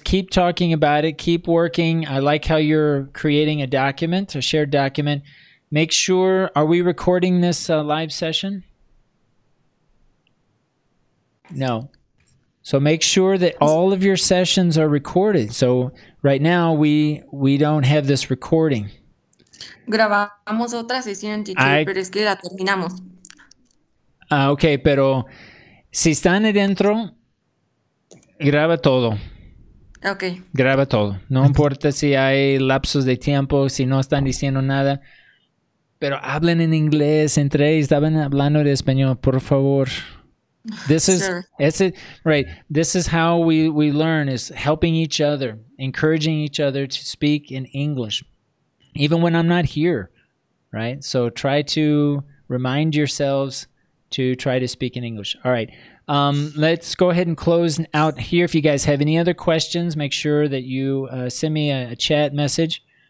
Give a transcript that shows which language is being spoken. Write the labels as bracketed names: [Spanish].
[English] Keep talking about it. Keep working. I like how you're creating a document, a shared document. Make sure, are we recording this live session? No. So make sure that all of your sessions are recorded. So right now we don't have this recording. [Spanish] Grabamos otra sesión, pero es que la terminamos. Ah, okay, pero si están adentro, graba todo. Okay. Graba todo. No importa si hay lapsos de tiempo, si no están diciendo nada. Pero hablen en inglés, entre ellos, estaban hablando de español, por favor. [English] This is sure. Right. This is how we learn, is helping each other, encouraging each other to speak in English, even when I'm not here, right? So try to remind yourselves to try to speak in English. All right. Let's go ahead and close out here. If you guys have any other questions, make sure that you send me a chat message.